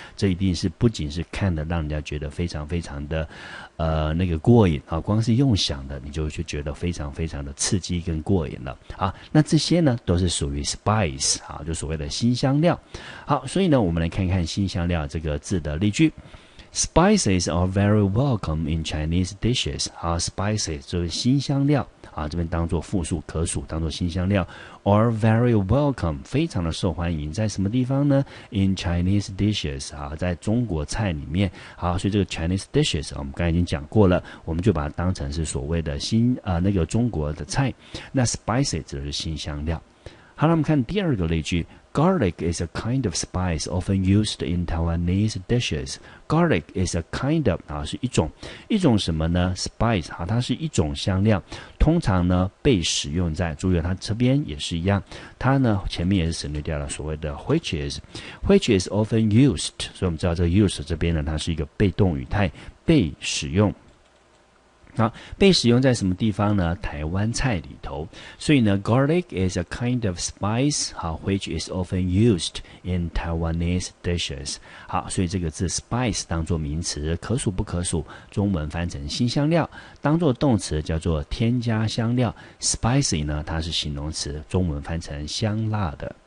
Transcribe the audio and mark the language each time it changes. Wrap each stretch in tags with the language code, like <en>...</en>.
<zh>这一定是不仅是看的让人家觉得非常非常的那个过瘾啊，光是用想的你就觉得非常非常的刺激跟过瘾了。好，那这些呢都是属于 spice 啊，就所谓的新香料。好，所以呢我们来看看新香料这个字的例句。</zh> <en>Spices are very welcome in Chinese dishes.</en> <zh>Spices 就是新香料啊，这边当作复数可数，当作新香料。</zh> <en>Are very welcome，</en> <zh>非常的受欢迎，在什么地方呢 ？</zh> <en>In Chinese dishes</en> <zh>啊，在中国菜里面。好，所以这个</zh> <en>Chinese dishes</en> <zh>我们刚才已经讲过了，我们就把它当成是所谓的中国的菜。那 spices 指的是新香料。好，那我们看第二个例句。</zh> <en>Garlic is a kind of spice often used in Taiwanese dishes. Garlic is a kind of,</en> <zh>啊，是一种什么呢 ?spice, 啊，它是一种香料，通常呢被使用在，注意它这边也是一样，它呢前面也是省略掉了所谓的</zh> <en>which is often used,</en> <zh>所以我们知道这个 use 这边呢它是一个被动语态，被使用。好，被使用在什么地方呢？台湾菜里头。所以呢</zh> <en>，garlic is a kind of spice, which is often used in Taiwanese dishes.</en> <zh>好，所以这个字 spice 当作名词，可数不可数，中文翻成新香料；当作动词叫做添加香料。spicy 呢，它是形容词，中文翻成香辣的。</zh>